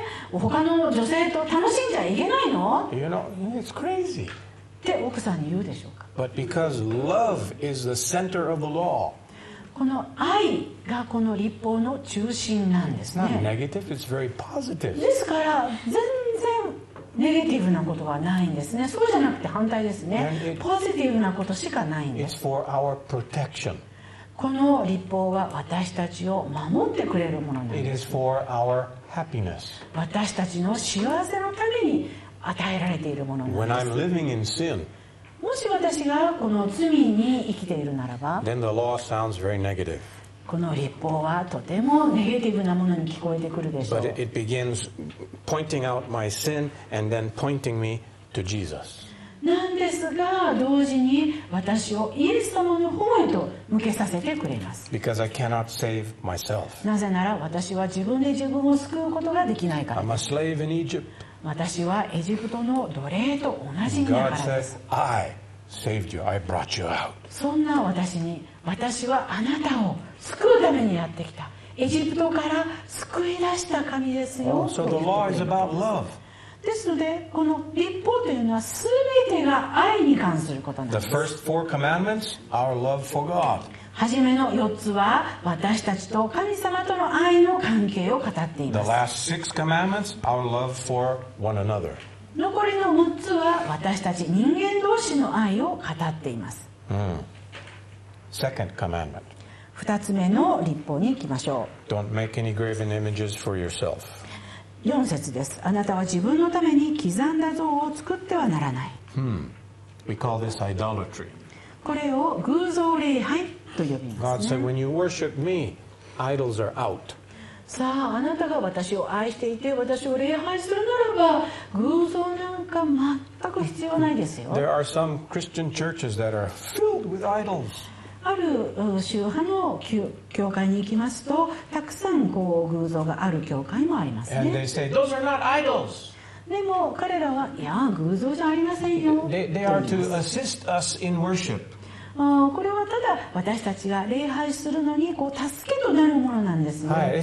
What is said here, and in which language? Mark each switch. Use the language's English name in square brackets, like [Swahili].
[Japanese] 他の女性と楽しんじゃいけないの？ [English] You know, it's crazy. [Japanese] って奥さんに言うでしょうか。 [English] But because love is the center of the law, [Japanese] この愛がこの立法の中心なんですね。 [English] It's not negative, it's very positive. [Japanese] ですから全然ネガティブなことはないんですね。そうじゃなくて反対ですね。ポジティブなことしかないんです。 [English] It's for our protection. [Japanese] この立法は私たちを守ってくれるものなんです。 [English] It is for our happiness. [Japanese] 私たちの幸せのために与えられているものなんです。 [English] When I'm living in sin, [Japanese] もし私がこの罪に生きているならば、 [English] Then the law sounds very negative. [Japanese] この律法はとてもネガティブなものに聞こえてくるでしょう。 [English] But it begins pointing out my sin and then pointing me to Jesus. [Japanese] なんですが、同時に私をイエス様の方へと向けさせてくれます。 [English] Because I cannot save myself. [Japanese] なぜなら私は自分で自分を救うことができないから。 [English] I'm a slave in Egypt. [Japanese] 私はエジプトの奴隷と同じだからです。 [English] God says, I saved you. I brought you out. [Japanese] そんな私に私はあなたを救うためにやってきた。エジプトから救い出した神ですよ。 [English] So the law is about love. [Japanese] ですのでこの立法というのは全てが愛に関することなんです。 [English] The first four commandments, our love for God. [Japanese] 初めの4つは私たちと神様との愛の関係を語っています。 [English] The last six commandments, our love for one another. [Japanese] 残りの6つは私たち人間同士の愛を語っています。 [English] Second commandment. [Japanese] 2つ目の立法に行きましょう。 [English] Don't make any graven images for yourself. [Japanese] 4節です。あなたは自分のために刻んだ像を作ってはならない。 [English] We call this idolatry. [Japanese] これを偶像礼拝と呼びますね。 [English] God said, when you worship me, idols are out. [Japanese] さあ、あなたが私を愛していて私を礼拝するならば、偶像なんか全く必要ないですよ。 [English] There are some Christian churches that are filled with idols. [Japanese] ある宗派の教会に行きますと、たくさんこう偶像がある教会もありますね。 [English] And they say, those are not idols. [Japanese] でも彼らは、いや、偶像じゃありませんよ。 [English] They are to assist us in worship. [Japanese] これはただ私たちが礼拝するのにこう助けとなるものなんですね。